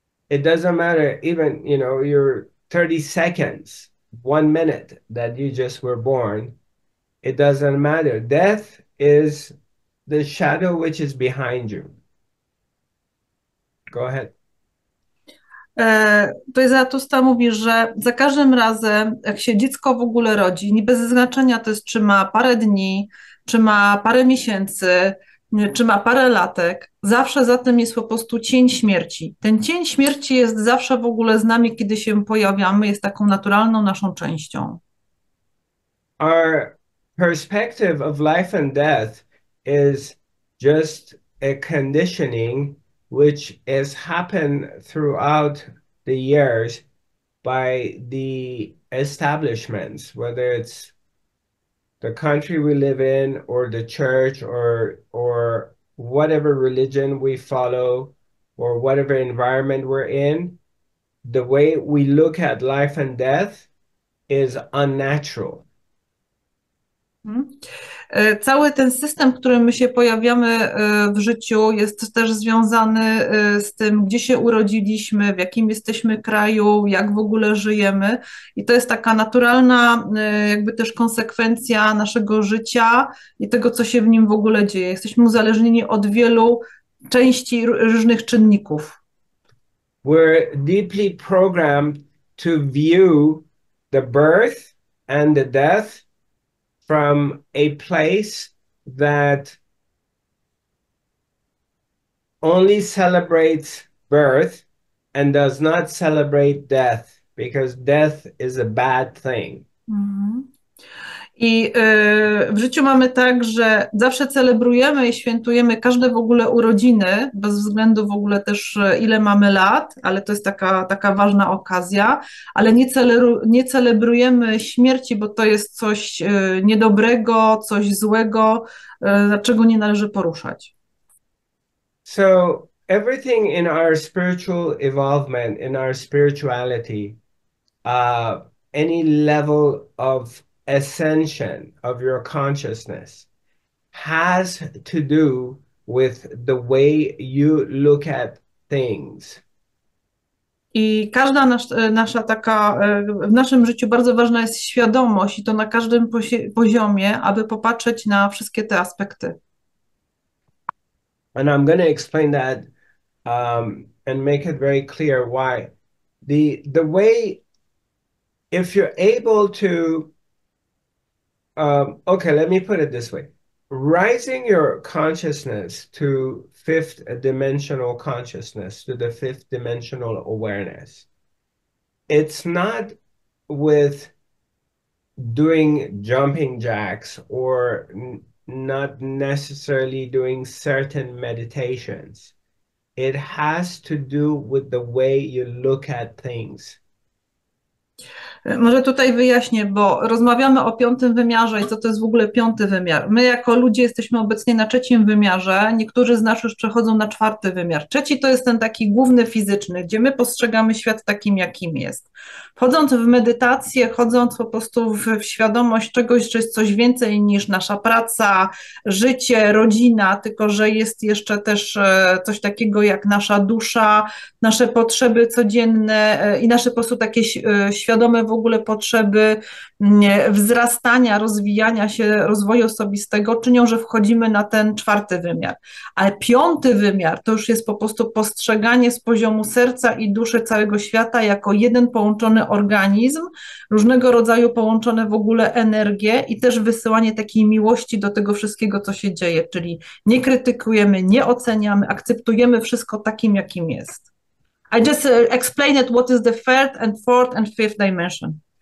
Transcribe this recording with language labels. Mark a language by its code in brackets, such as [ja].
[en] It doesn't matter, even, you know, your 30 seconds, 1 minute that you just were born, it doesn't matter. Death is the shadow which is behind you. Go ahead. [pl] To jest Zarathustra mówi, że za każdym razem, jak się dziecko w ogóle rodzi, nie bez znaczenia to jest, czy ma parę dni, czy ma parę miesięcy, czy ma parę latek, zawsze za tym jest po prostu cień śmierci. Ten cień śmierci jest zawsze w ogóle z nami, kiedy się pojawiamy, jest taką naturalną naszą częścią. [en] Our perspective of life and death is just a conditioning which has happened throughout the years by the establishments, whether it's the country we live in or the church or whatever religion we follow or whatever environment we're in. The way we look at life and death is unnatural. [pl] Cały ten system, w którym my się pojawiamy w życiu, jest też związany z tym, gdzie się urodziliśmy, w jakim jesteśmy kraju, jak w ogóle żyjemy. I to jest taka naturalna, jakby też konsekwencja naszego życia i tego, co się w nim w ogóle dzieje. Jesteśmy uzależnieni od wielu części różnych czynników. [en] We're deeply programmed to view the birth and the death from a place that only celebrates birth and does not celebrate death, because death is a bad thing. [pl] I w życiu mamy tak, że zawsze celebrujemy i świętujemy każde w ogóle urodziny, bez względu w ogóle też ile mamy lat, ale to jest taka ważna okazja, ale nie celebrujemy śmierci, bo to jest coś niedobrego, coś złego, dlaczego nie należy poruszać. [en] So everything in our spiritual evolvement, in our spirituality, any level of ascension of your consciousness has to do with the way you look at things. [pl] I każda nasza taka, w naszym życiu bardzo ważna jest świadomość i to na każdym poziomie, aby popatrzeć na wszystkie te aspekty. [en] And I'm going to explain that and make it very clear why. The way, if you're able to, okay, let me put it this way. Rising your consciousness to fifth dimensional consciousness, to the fifth dimensional awareness, it's not with doing jumping jacks or not necessarily doing certain meditations. It has to do with the way you look at things. [pl] Może tutaj wyjaśnię, bo rozmawiamy o piątym wymiarze i co to jest w ogóle piąty wymiar. My jako ludzie jesteśmy obecnie na trzecim wymiarze, niektórzy z nas już przechodzą na czwarty wymiar. Trzeci to jest ten taki główny fizyczny, gdzie my postrzegamy świat takim, jakim jest. Wchodząc w medytację, chodząc po prostu w świadomość czegoś, czy jest coś więcej niż nasza praca, życie, rodzina, tylko że jest jeszcze też coś takiego jak nasza dusza, nasze potrzeby codzienne i nasze po prostu takie świadome w ogóle potrzeby wzrastania, rozwijania się, rozwoju osobistego, czynią, że wchodzimy na ten czwarty wymiar. Ale piąty wymiar to już jest po prostu postrzeganie z poziomu serca i duszy całego świata jako jeden połączony organizm, różnego rodzaju połączone w ogóle energie i też wysyłanie takiej miłości do tego wszystkiego, co się dzieje, czyli nie krytykujemy, nie oceniamy, akceptujemy wszystko takim, jakim jest. [en] I just explain it, what is the third and fourth and fifth dimension.